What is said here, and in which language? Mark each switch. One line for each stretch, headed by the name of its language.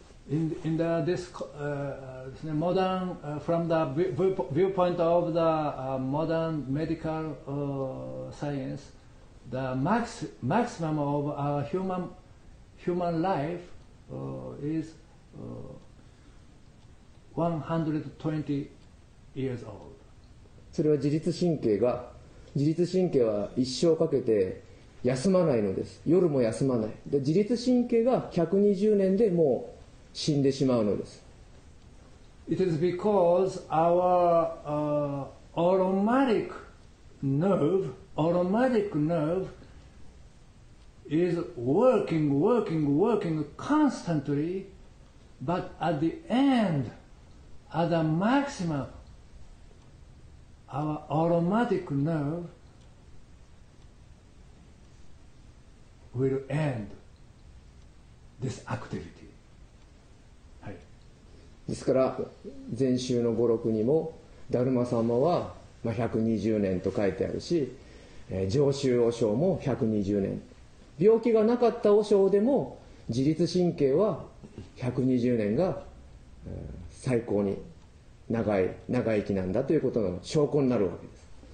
English: In the this modern from the viewpoint of the modern medical science, the maximum of a human life is 120 years old.
Japanese: それは自律神経が自律神経は一生かけて休まないのです。夜も休まない。で自律神経が120年でもう死んでしまうのです。
English: It is because our automatic nerve is working constantly, but at the end, at the maximum, our automatic nerveWill end this activity.
Japanese: はい、ですから禅宗の語録にもダルマ様は120年と書いてあるし常習和尚も120年病気がなかった和尚でも自律神経は120年が最高に長生きなんだということの証拠になるわけです。